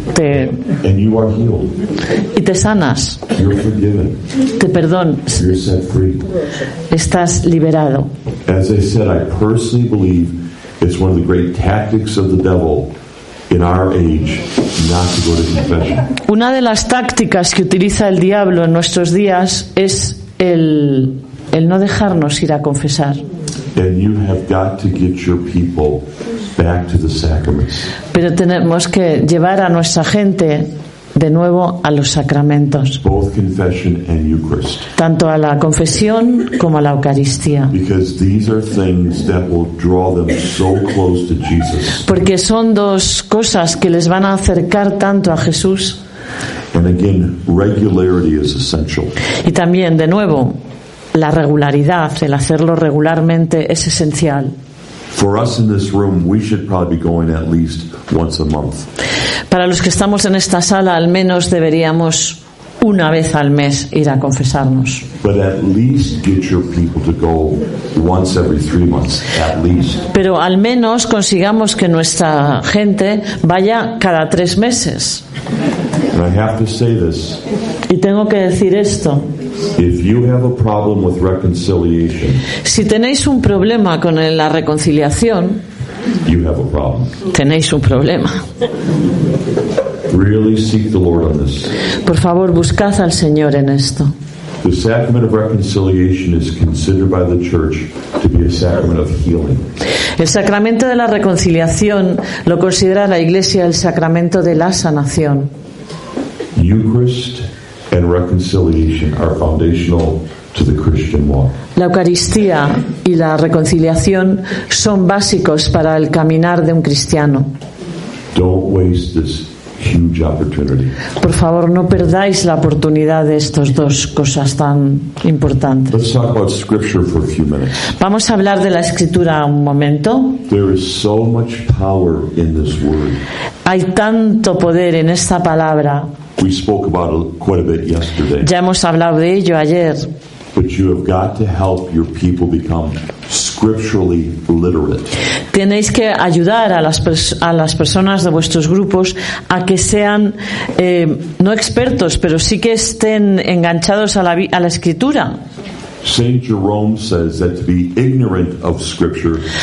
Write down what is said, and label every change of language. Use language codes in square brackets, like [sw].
[en] And you are healed. [es] Y te sanas. [en] You're forgiven. [es] Te perdón. [en] You're set free. [es] Estás liberado. [en] As I said, I personally believe it's one of the great tactics of the devil in our age, not to go to confession. [es] Una de las tácticas que utiliza el diablo en nuestros días es el no dejarnos ir a confesar. [en] And you have got to get your people back to the sacraments. [es] Pero tenemos que llevar a nuestra gente de nuevo a los sacramentos. [en] Both confession and Eucharist. [es] Tanto a la confesión como a la Eucaristía. [en] Because these are things that will draw them so close to Jesus. [es] Porque son dos cosas que les van a acercar tanto a Jesús. [en] And again, regularity is essential. [es] Y también, de nuevo, la regularidad, el hacerlo regularmente, es esencial. [en] For us in this room, we should probably be going at least once a month. [es] Para los que estamos en esta sala, al menos deberíamos una vez al mes ir a confesarnos. [en] But at least get your people to go once every 3 months, at least. [es] Pero al menos consigamos que nuestra gente vaya cada 3 meses. [en] And I have to say this. [es] Y tengo que decir esto. [en] If you have a problem with reconciliation, [es] si tenéis un problema con la reconciliación, [en] you have a problem. [es] Tenéis un problema. [en] Really seek the Lord on this. [es] Por favor, buscad al Señor en esto. [en] The sacrament of reconciliation is considered by the church to be a sacrament of healing. [es] El sacramento de la reconciliación lo considera la Iglesia el sacramento de la sanación. [en] Eucharist and reconciliation are foundational to the Christian walk. [es] La Eucaristía y la reconciliación son básicos para el caminar de un cristiano. [en] Don't waste this huge opportunity. [es] Por favor, no perdáis la oportunidad de estas dos cosas tan importantes. [en] Let's talk about scripture for a few minutes. [es] Vamos a hablar de la escritura un momento. [en] There is so much power in this word. [es] Hay tanto poder en esta palabra. [en] We spoke about it quite a bit yesterday. [es] Ya hemos hablado de ello ayer. [en] But you have got to help your people become scripturally literate. [es] Tenéis que ayudar a las personas de vuestros grupos a que sean no expertos, pero sí que estén enganchados a la escritura. [en] Saint Jerome says that to be ignorant of scripture.